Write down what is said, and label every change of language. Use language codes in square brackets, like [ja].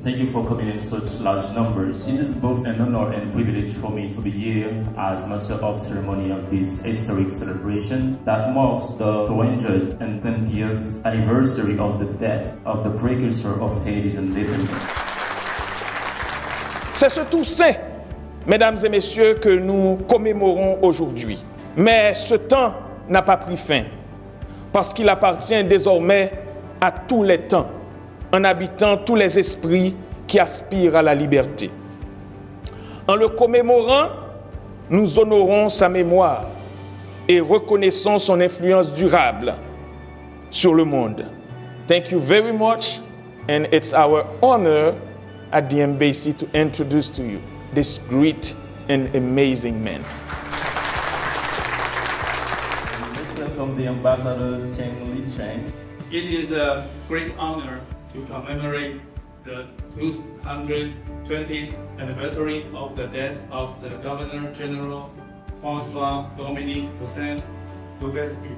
[en] Thank you for coming in such large numbers. It is both an honor and privilege for me to be here as master of ceremony of this historic celebration that marks the 220th anniversary of the death of the precursor of Haiti and Liberty. [fr] C'est ce Toussaint, mesdames et messieurs, que nous commémorons aujourd'hui. Mais ce temps n'a pas pris fin. Parce qu'il appartient désormais à tous les temps, en habitant tous les esprits qui aspirent à la liberté. En le commémorant, nous honorons sa mémoire et reconnaissons son influence durable sur le monde. [en] Thank you very much, and it's our honor at the embassy to introduce to you this great and amazing man. The ambassador Chen Li Cheng. It is a great honor to commemorate the 220th anniversary of the death of the Governor General François Dominique Toussaint Louverture.